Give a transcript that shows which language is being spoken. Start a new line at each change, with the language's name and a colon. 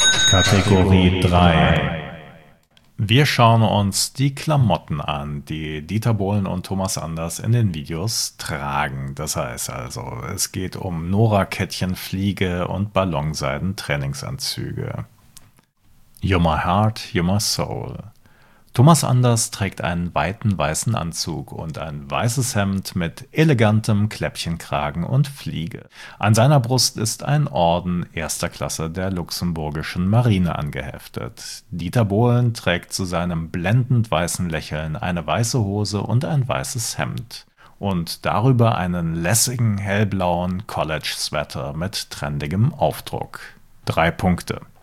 German: Kategorie 3. Wir schauen uns die Klamotten an, die Dieter Bohlen und Thomas Anders in den Videos tragen. Das heißt also, es geht um Nora-Kettchen-Fliege und Ballonseiden-Trainingsanzüge.
English: You're My Heart, You're My Soul.
German: Thomas Anders trägt einen weiten weißen Anzug und ein weißes Hemd mit elegantem Kläppchenkragen und Fliege. An seiner Brust ist ein Orden erster Klasse der luxemburgischen Marine angeheftet. Dieter Bohlen trägt zu seinem blendend weißen Lächeln eine weiße Hose und ein weißes Hemd und darüber einen lässigen hellblauen College-Sweater mit trendigem Aufdruck. 3 Punkte.